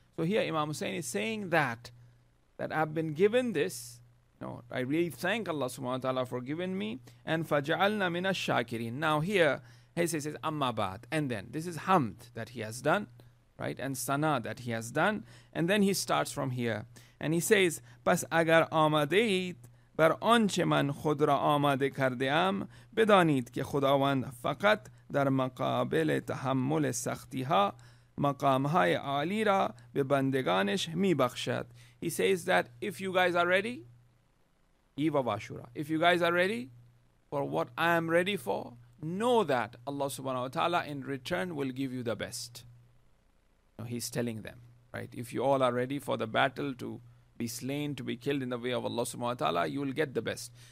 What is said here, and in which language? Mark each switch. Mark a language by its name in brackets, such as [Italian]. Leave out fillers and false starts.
[English] So here Imam Hussein is saying that I've been given this. No, I really thank Allah subhanahu wa ta'ala for giving me. And [Arabic] فَجَعَلْنَا مِنَ الشَّاكِرِينَ. [English] Now here, he says, [Arabic] أَمَّا بَعْدَ. [English] And then, this is hamd that he has done, right? And sana that he has done. And then he starts from here. And he says, [Persian] پس اگر آمدید بر آنچه من خود را آمده کرده ام بدانید که خداوند فقط در مقابل تحمل سختی ها مقام های عالی را به بندگانش می بخشد. [English] He says that if you guys are ready, Eve of Ashura, if you guys are ready for what I am ready for, know that Allah subhanahu wa ta'ala in return will give you the best. Now he's telling them, right? If you all are ready for the battle to be slain, to be killed in the way of Allah subhanahu wa ta'ala, you will get the best.